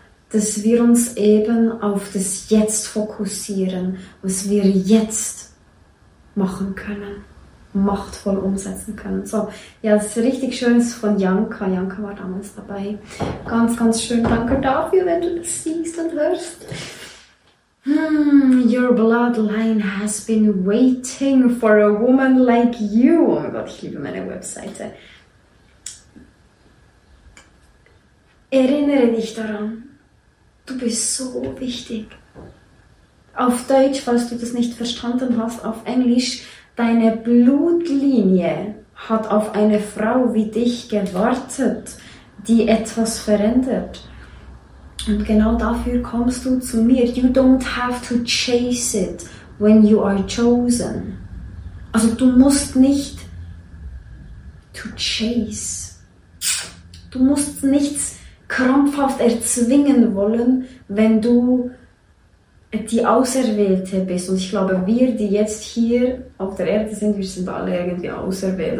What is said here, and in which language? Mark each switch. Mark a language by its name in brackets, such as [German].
[German] Dass wir uns eben auf das Jetzt fokussieren, was wir jetzt machen können. Machtvoll umsetzen können. So, ja, das ist richtig schön, das ist von Janka. Janka war damals dabei. Ganz, ganz schön. Danke dafür, wenn du das siehst und hörst. [English] Your bloodline has been waiting for a woman like you. [German] Oh mein Gott, ich liebe meine Webseite. Erinnere dich daran. Du bist so wichtig. Auf Deutsch, falls du das nicht verstanden hast, auf Englisch. Deine Blutlinie hat auf eine Frau wie dich gewartet, die etwas verändert. Und genau dafür kommst du zu mir. [English] You don't have to chase it when you are chosen. [German] Also du musst nicht [English] to chase. [German] Du musst nichts krampfhaft erzwingen wollen, wenn du die Auserwählte bist. Und ich glaube, wir, die jetzt hier auf der Erde sind, wir sind alle irgendwie auserwählt.